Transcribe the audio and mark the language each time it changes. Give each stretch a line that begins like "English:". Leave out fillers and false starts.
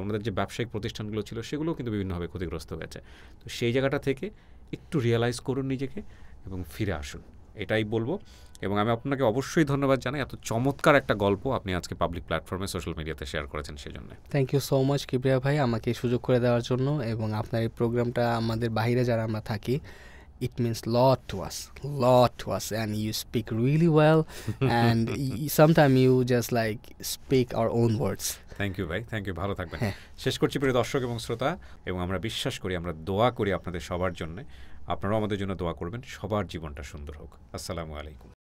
Bangla: ওনাদের যে ব্যবসায়িক প্রতিষ্ঠানগুলো ছিল সেগুলোও কিন্তু বিভিন্নভাবে ক্ষতিগ্রস্ত হয়েছে। তো সেই জায়গাটা থেকে একটু রিয়ালাইজ করুন নিজেকে এবং ফিরে আসুন, এটাই বলবো। এবং আমি আপনাকে অবশ্যই ধন্যবাদ জানাই, এত চমৎকার একটা গল্প আপনি আজকে পাবলিক প্ল্যাটফর্মে সোশ্যাল মিডিয়াতে শেয়ার করেছেন সেজন্য।
English: thank you so much
Bangla: Kibria ভাই আমাকে এই সুযোগ করে দেওয়ার জন্য, এবং আপনার এই প্রোগ্রামটা আমাদের বাইরে যারা আমরা থাকি
English: it means lot to us and you speak really well and sometimes you just like speak our own words. Thank you ভাই, thank you,
Bangla: ভালো থাকবেন। শেষ করছি প্রিয় দর্শক এবং শ্রোতা, এবং আমরা বিশ্বাস করি, আমরা দোয়া করি আপনাদের সবার জন্য, আপনারাও আমাদের জন্য দোয়া করবেন, সবার জীবনটা সুন্দর হোক। আসসালামু আলাইকুম।